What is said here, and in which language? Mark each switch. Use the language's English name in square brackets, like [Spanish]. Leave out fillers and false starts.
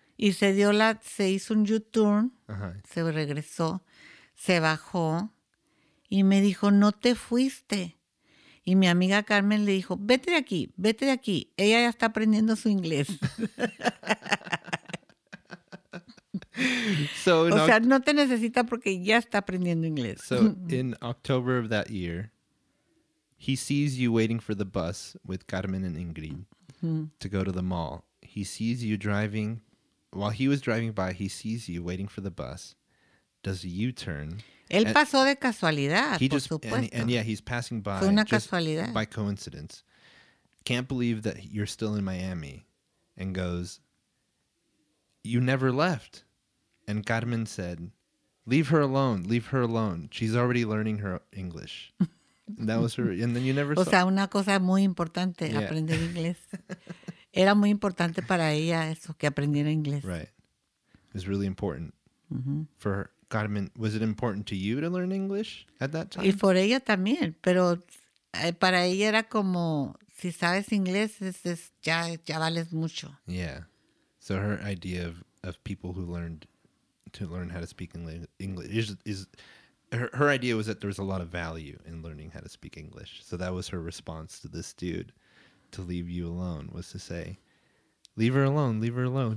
[Spanish] y se hizo un U-turn, se regresó, se bajó, y me dijo, no te fuiste. Y mi amiga Carmen le dijo, vete de aquí. Ella ya está aprendiendo su inglés. [English] So [Spanish] no te necesita porque ya está aprendiendo inglés. [English] So in October of that year, he sees you waiting for the bus with Carmen and Ingrid to go to the mall. He sees you driving. While he was driving by, he sees you waiting for the bus, does a U-turn. [Spanish] Él pasó de casualidad, por supuesto. [English] He's passing by. [Spanish] Fue una casualidad. [English] By coincidence. Can't believe that you're still in Miami, and goes, you never left. And Carmen said, leave her alone. She's already learning her English. And that was her. And then you never saw. [Spanish] O sea, una cosa muy importante, aprender inglés. Era muy importante para ella eso, que aprendiera inglés. [English] Right. It was really important for Carmen. Was it important to you to learn English at that time? [Spanish] Y por ella también. Pero para ella era como, si sabes inglés, ya vales mucho. [English] Yeah. So her idea of people who learn how to speak English is her idea was that there was a lot of value in learning how to speak English. So that was her response to this dude to leave you alone, was to say, leave her alone.